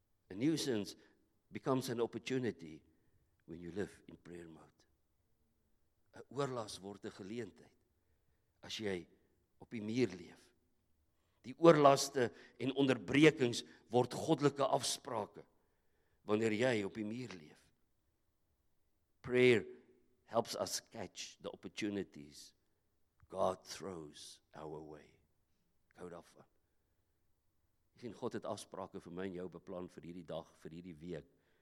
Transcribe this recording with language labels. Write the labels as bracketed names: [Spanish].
[English] A nuisance becomes an opportunity when you live in prayer mode. [Afrikaans] 'N Oorlas word 'n geleentheid as jy op die muur leef. Die oorlaste en onderbrekings word goddelike afsprake wanneer jy op die muur leef. [English] Prayer helps us catch the opportunities God throws our way. [Afrikaans] Koud af. Jy sien, God het afsprake vir my en jou beplan vir hierdie dag, vir hierdie week.